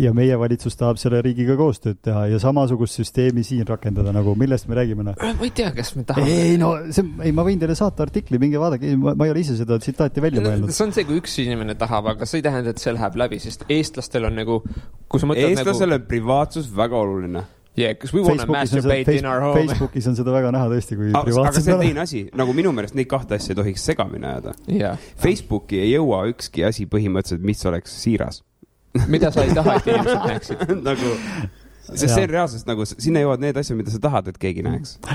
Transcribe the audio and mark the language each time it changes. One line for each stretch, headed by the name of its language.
Estonian: ja meie valitsus tahab selle riigiga koostööd teha ja samasugust süsteemi siin rakendada nagu millest me räägime ma ei tea, kas me tahame ma võin teile saata artikli, minge vaadake, ma ei ole ise seda sitaati välja mõelnud. See on see, kui üks inimene tahab, aga see ei tähenda, et see läheb läbi, sest eestlastel on nagu, kus sa mõtled eestlasele nagu... on privaatsus väga oluline.
English: Yeah, because we wanna masturbate in our home.
Estonian: Facebookis on seda väga näha tõesti, kui privaatsus aga see teine asi, nagu minu meelest neid kahte asja ei tohiks segamine ajada.
English: Yeah.
Estonian: Facebooki ei jõua ükski asi põhimõtteliselt, mis oleks siiras. Mida sa ei taha, et inimesed näeksid? nagu... See on reaalsest, nagu sinna jõuad need asjad, mida sa tahad, et keegi näeks.